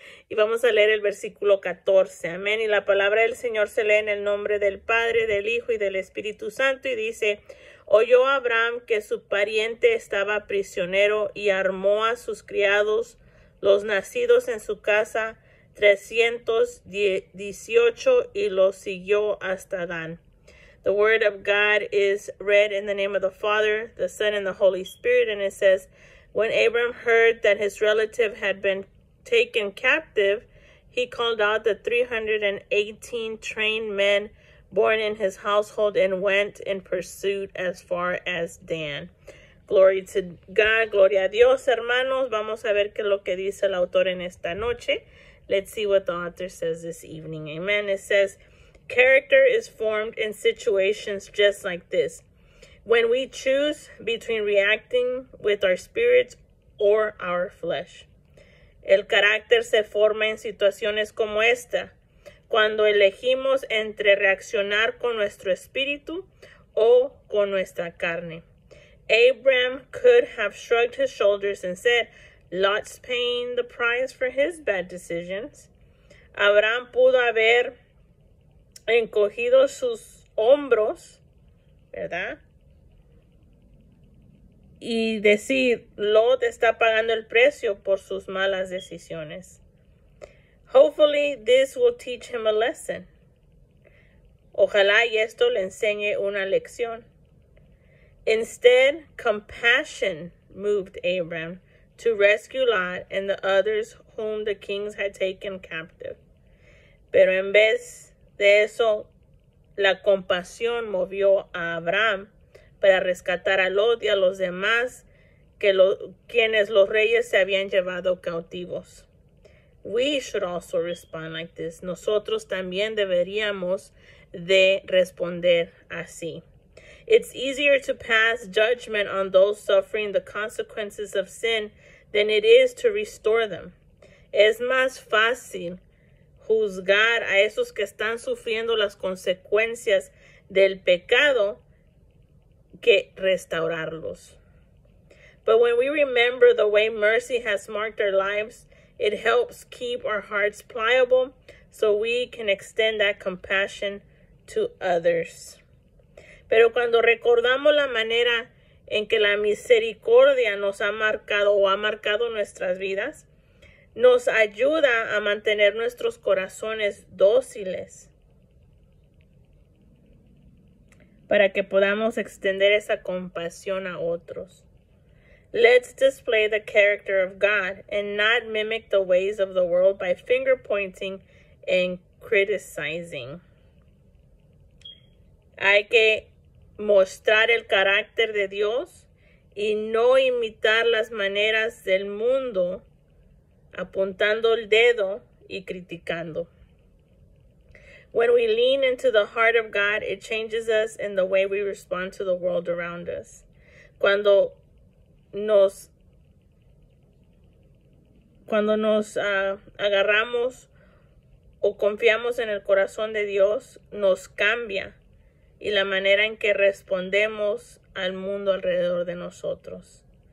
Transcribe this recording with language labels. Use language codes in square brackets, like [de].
[es] Y vamos a leer el versículo 14. Amén. Y la palabra del Señor se lee en el nombre del Padre, del Hijo y del Espíritu Santo. Y dice, oyó Abraham que su pariente estaba prisionero y armó a sus criados, los nacidos en su casa, 318, y los siguió hasta Dan. [en] The word of God is read in the name of the Father, the Son, and the Holy Spirit. And it says, when Abram heard that his relative had been taken captive, he called out the 318 trained men born in his household and went in pursuit as far as Dan. Glory to God. [es] Gloria a Dios, hermanos. Vamos a ver qué es lo que dice el autor en esta noche. [en] Let's see what the author says this evening. Amen. It says, character is formed in situations just like this. When we choose between reacting with our spirits or our flesh. [es] El carácter se forma en situaciones como esta. Cuando elegimos entre reaccionar con nuestro espíritu o con nuestra carne. [en] Abraham could have shrugged his shoulders and said, Lot's paying the price for his bad decisions. [es] Abraham pudo haber encogido sus hombros, ¿verdad? Y decir, Lot está pagando el precio por sus malas decisiones. [en] Hopefully, this will teach him a lesson. [es] Ojalá y esto le enseñe una lección. [en] Instead, compassion moved Abraham to rescue Lot and the others whom the kings had taken captive. [es] Pero en vez de eso, la compasión movió a Abraham para rescatar a Lot y a los demás quienes los reyes se habían llevado cautivos. [en] We should also respond like this. [es] Nosotros también deberíamos de responder así. [en] It's easier to pass judgment on those suffering the consequences of sin than it is to restore them. [es] Es más fácil juzgar a esos que están sufriendo las consecuencias del pecado que restaurarlos. [en] But when we remember the way mercy has marked our lives, it helps keep our hearts pliable so we can extend that compassion to others. [es] Pero cuando recordamos la manera en que la misericordia nos ha marcado o ha marcado nuestras vidas, nos ayuda a mantener nuestros corazones dóciles para que podamos extender esa compasión a otros. [en] Let's display the character of God and not mimic the ways of the world by finger pointing and criticizing. [es] Hay que mostrar el carácter de Dios y no imitar las maneras del mundo apuntando el dedo y criticando. [en] When we lean into the heart of God, it changes us in the way we respond to the world around us. [es] Cuando nos agarramos o confiamos en el corazón de Dios, nos cambia y la manera en que respondemos al mundo alrededor de nosotros.